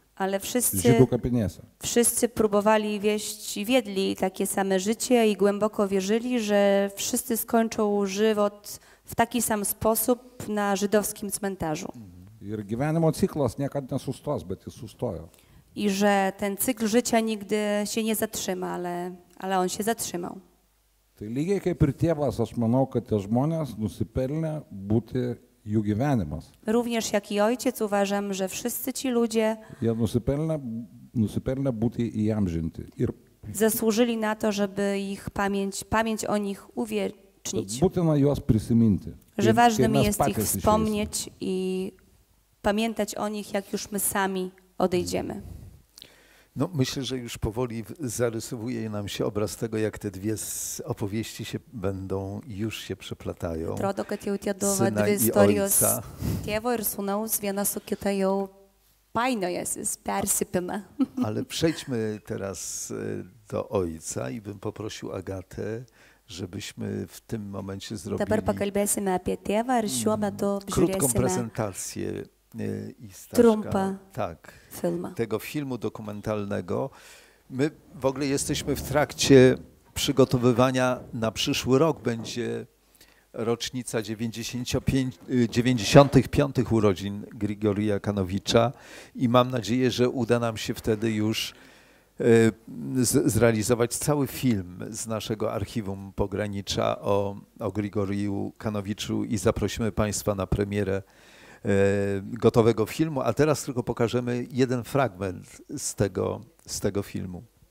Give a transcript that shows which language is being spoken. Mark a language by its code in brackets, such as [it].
[pl] Ale wszyscy, [lt] Žydų kapinėse. [pl] Wszyscy próbowali wieść, wiedli takie same życie i głęboko wierzyli, że wszyscy skończą żywot w taki sam sposób na żydowskim cmentarzu. [lt] Ir gyvenimo ciklas niekad nesustos, bet jis sustojo. [pl] I że ten cykl życia nigdy się nie zatrzyma, ale on się zatrzymał. [lt] Tai lygiai kaip ir tėvas, aš manau, kad tie žmonės nusipelnė būti jų gyvenimas. [pl] Również jak i ojciec uważam, że wszyscy ci ludzie [lt] jie nusipelnė būti įamžinti. Ir [pl] zasłużyli na to, żeby ich pamięć o nich uwiecznić. [lt] Būtina juos prisiminti. [pl] Że ważnym jest ich wspomnieć i pamiętać o nich, jak już my sami odejdziemy. No, myślę, że już powoli zarysowuje nam się obraz tego, jak te dwie opowieści się będą, już się przeplatają. [lt] Atrodo, kad jau tie dvi istorijos, tėvo ir sūnaus, viena su kita jau painiojasi, persipina. [pl] Ale przejdźmy teraz do ojca i bym poprosił Agatę, żebyśmy w tym momencie zrobili [lt] dabar pakalbėsime apie tėvą, ar šiuo metu žiūrėsime [pl] krótką prezentację. I Staszka, [lt] trumpa [pl] tak, [lt] filma. [pl] Tego filmu dokumentalnego. My w ogóle jesteśmy w trakcie przygotowywania na przyszły rok. Będzie rocznica 95. urodzin Grigorija Kanowicza i mam nadzieję, że uda nam się wtedy już zrealizować cały film z naszego archiwum pogranicza o Grigoriju Kanowiczu i zaprosimy Państwa na premierę gotowego filmu, a teraz tylko pokażemy jeden fragment z tego filmu.